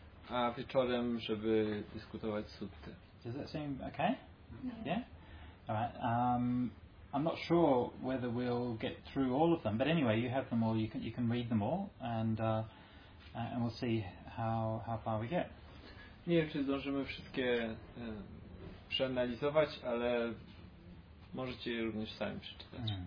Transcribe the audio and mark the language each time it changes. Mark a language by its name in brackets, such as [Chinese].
[Polish] A wieczorem, żeby dyskutować sutty. [English] Does that seem okay? Yeah? All right. I'm not sure whether we'll get through all of them, but anyway, you have them all, you can read them all, and we'll see how far we get. [Polish] Nie wiem, czy zdążymy wszystkie przeanalizować, ale możecie je również sami przeczytać.